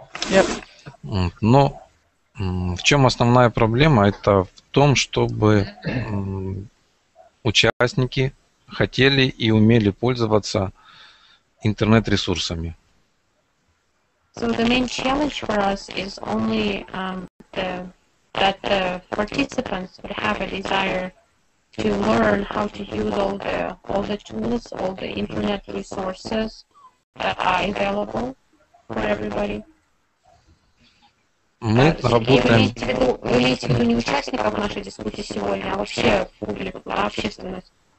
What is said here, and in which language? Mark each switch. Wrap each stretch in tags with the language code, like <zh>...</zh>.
<en>Yep.</en> <ru>Но в чем основная проблема? Это в том, чтобы участники хотели и умели пользоваться интернет-ресурсами.</ru> <en>So the main challenge for us is only that the participants would have a desire to learn how to use all the tools, all the internet resources that are available for everybody.</en> <ru>Мы работаем. Вы имеете в виду не участников нашей дискуссии сегодня, а вообще публику, общественность.</ru>